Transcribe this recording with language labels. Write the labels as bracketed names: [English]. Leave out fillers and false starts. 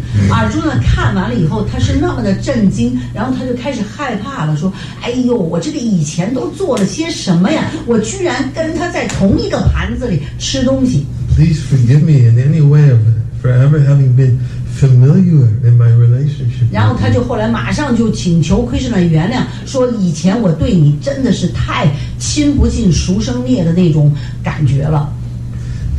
[Chinese] Arjuna 看完了以后，他是那么的震惊，然后他就开始害怕了，说：“哎呦，我这个以前都做了些什么呀？我居然跟他在同一个盘子里吃东西。” [English] Please forgive me in any way for ever having been familiar in my relationship. [Chinese] 然后他就后来马上就请求 Krishna 原谅，说：“以前我对你真的是太亲不近熟生灭的那种感觉了。”